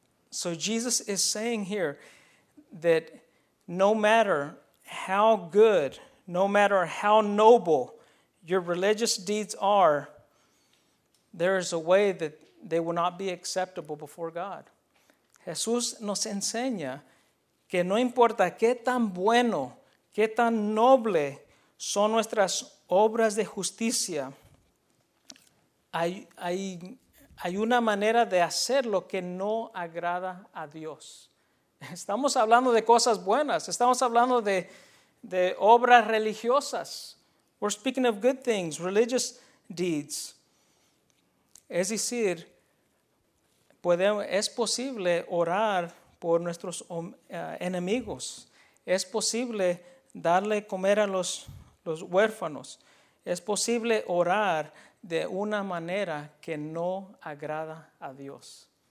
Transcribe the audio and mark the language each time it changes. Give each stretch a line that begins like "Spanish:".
English: So Jesus is saying here that no matter how good, no matter how noble your religious deeds are, there is a way that they will not be acceptable before God.
Spanish: Jesús nos enseña que no importa qué tan bueno, qué tan noble son nuestras obras de justicia, hay una manera de hacer lo que no agrada a Dios. Estamos hablando de cosas buenas. Estamos hablando de obras religiosas.
English: We're speaking of good things, religious deeds.
Spanish: Es decir, es posible orar por nuestros enemigos. Es posible darle comer a los huérfanos. Es posible orar de una manera que no agrada a Dios.